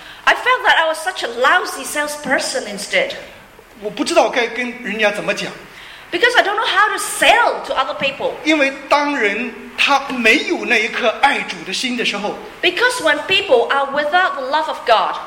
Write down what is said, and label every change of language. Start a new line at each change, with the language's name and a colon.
English: I felt that I was such a lousy salesperson instead.
Chinese: 我不知道该跟人家怎么讲。
English: Because I don't know how to sell to other people.
Chinese: 因为当人他没有那一颗爱主的心的时候。
English: Because when people are without the love of God.